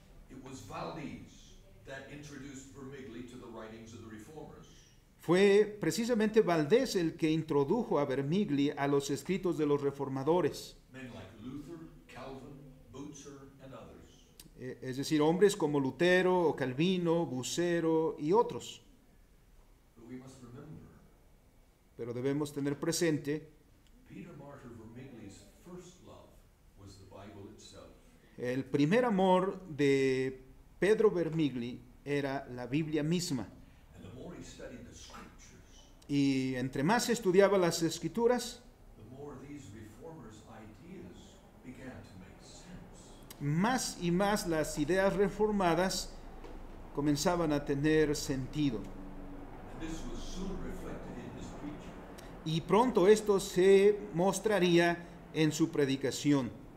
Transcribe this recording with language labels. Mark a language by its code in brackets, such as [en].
[en] It was Valdez that introduced Vermigli to the writings of the reformers. [es] Fue precisamente Valdés el que introdujo a Vermigli a los escritos de los reformadores. [en] Men like Luther, Calvin, Bucer, and others. [es] Es decir, hombres como Lutero, o Calvino, Bucero y otros. [en] But we must remember, [es] pero debemos tener presente, [en] Peter Martyr Vermigli's first love was the Bible itself. [es] El primer amor de Pedro Vermigli era la Biblia misma. [en] And the more he studied the scriptures, [es] y entre más estudiaba las escrituras, [en] the more these reformers' ideas began to make sense. [es] Más y más las ideas reformadas comenzaban a tener sentido. [en] And this was soon reflected in his preaching. [es] Y pronto esto se mostraría en su predicación.